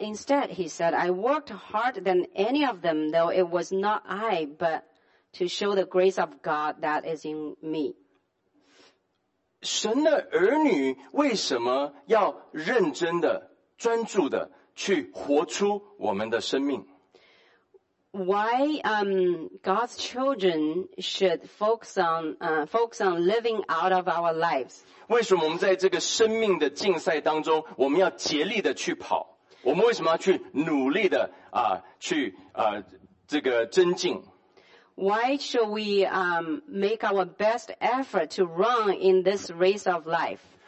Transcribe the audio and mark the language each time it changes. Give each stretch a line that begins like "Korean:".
English: instead, he said, I worked harder than any of them, though it was not I, but to show the grace of God that is in me.
Chinese: 神的儿女为什么要认真的,专注的, 去活出我们的生命。
English: Why God's children should focus on living out of our lives?
Chinese: 为什么我们在这个生命的竞赛当中,我们要竭力的去跑? 我们为什么要去努力的去增进?
English: Why should we make our best effort to run in this race of life?